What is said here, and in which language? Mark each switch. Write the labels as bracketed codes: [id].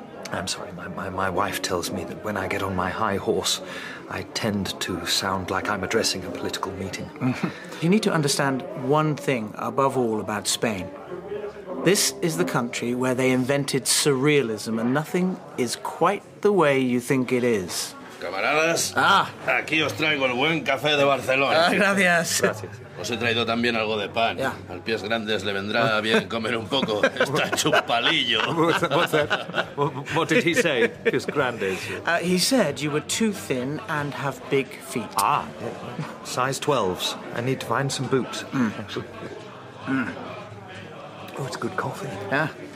[en] I'm sorry, my wife tells me that when I get on my high horse, I tend to sound like I'm addressing a political meeting. You need to understand one thing above all about Spain. This is the country where they invented surrealism, and nothing is quite the way you think it is. [es] Camaradas, aquí os traigo el buen café de Barcelona. Gracias. Os he traído también algo de pan. [en] Yeah. [es] Al pies grandes le vendrá bien comer un poco. Está hecho un palillo. [en] What's that? What did he say? [es] Pies grandes. [en] He said you were too thin and have big feet. Ah, size 12s. I need to find some boots. Oh, it's good coffee. Yeah.